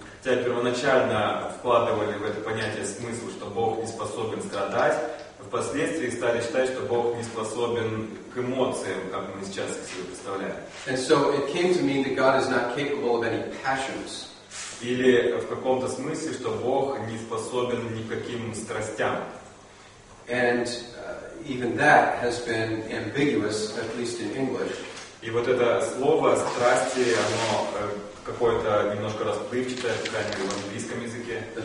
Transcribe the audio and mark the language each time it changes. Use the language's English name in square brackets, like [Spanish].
[Russian] Хотя первоначально вкладывали в это понятие смысл, что Бог не способен страдать, впоследствии стали считать, что Бог не способен к эмоциям, как мы сейчас себе представляем. [English] And so it came to mean that God is not capable of any passions. [Russian] Или в каком-то смысле, что Бог не способен никаким страстям. [English] And even that has been ambiguous, at least in English. [Russian] И вот это слово «страсти», оно какое-то немножко расплывчатое, по крайней мере, в английском языке.